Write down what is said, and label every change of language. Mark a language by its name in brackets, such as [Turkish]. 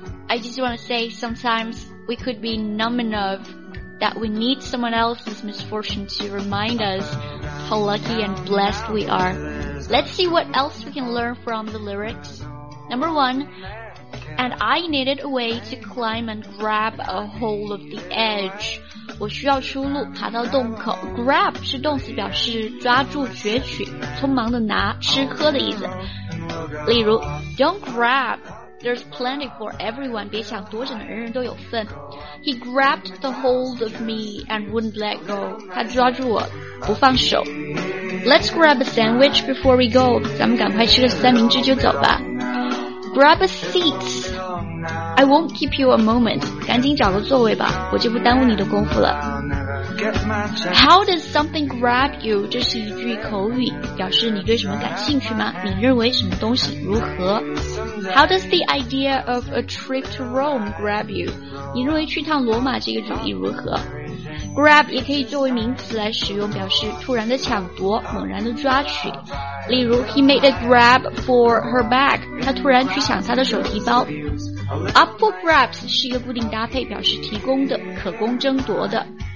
[English] I just want to say, sometimes we could be numb enough that we need someone else's misfortune to remind us how lucky and blessed we are. Let's see what else we can learn from the lyrics. Number one, and I needed a way to climb and grab a hold of the edge. [Chinese] 我需要出路，爬到洞口。 Grab 是动词，表示抓住、攫取、匆忙的拿、吃喝的意思。 [English] 例如 ，Don't grab, there's plenty for everyone. [Chinese] 别抢，多着呢，人人都有份。 [English] He grabbed the hold of me and wouldn't let go. [Chinese] 他抓住我，不放手。 [English] Let's grab a sandwich before we go. [Chinese] 咱们赶快吃个三明治就走吧。 [English] Grab a seat I won't keep you a moment. [Chinese] 赶紧找个座位吧，我就不耽误你的功夫了。 [English] How does something grab you? [Chinese] 这是一句口语，表示你对什么感兴趣吗？你认为什么东西如何？ [English] How does the idea of a trip to Rome grab you? [Chinese] 你认为去趟罗马这个主意如何？Grab 也可以作为名词来使用，表示突然的抢夺，猛然的抓取。 [English] 例如 He made a grab for her bag， [Chinese] 他突然去抢她的手提包。 Up for grabs 是一个固定搭配，表示提供的，可供争夺的。